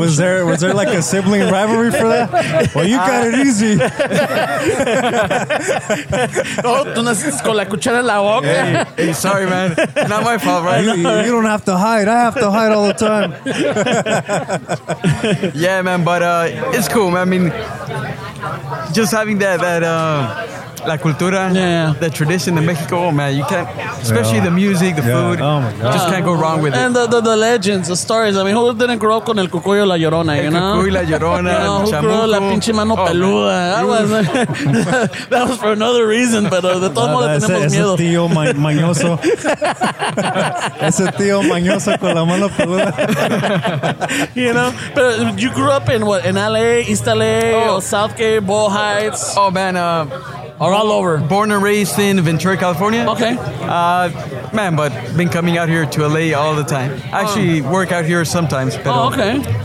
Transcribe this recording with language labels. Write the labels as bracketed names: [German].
[English] Was there like a sibling rivalry for that? Well, you got it easy. [Spanish] No, tú naciste con la cuchara en la boca. [English] Hey, sorry, man. Not my fault, right? You don't have to hide. I have to hide all the time. Yeah, man. But it's cool, man. I mean, just having that [Spanish] la cultura, [English] the tradition in Mexico, oh man, you can't, especially the music, the food, oh my God. Just can't go wrong with and it. And the legends, the stories, I mean, who didn't grow up [Spanish] con el cucuyo la llorona, [English] you know? [Spanish] El cucuyo la llorona, [English] you know, who grew up [Spanish] la pinche mano peluda, [English] that was for another reason, but [Spanish] de todos modos tenemos ese miedo. Ese tío mañoso, ese tío mañoso con la mano peluda. [English] You know, but you grew up in what, in LA, East LA, or Southgate, Boyle Heights? Oh man, are all over. Born and raised in Ventura, California. Okay. Man, but been coming out here to LA all the time. Actually, work out here sometimes. Oh, okay.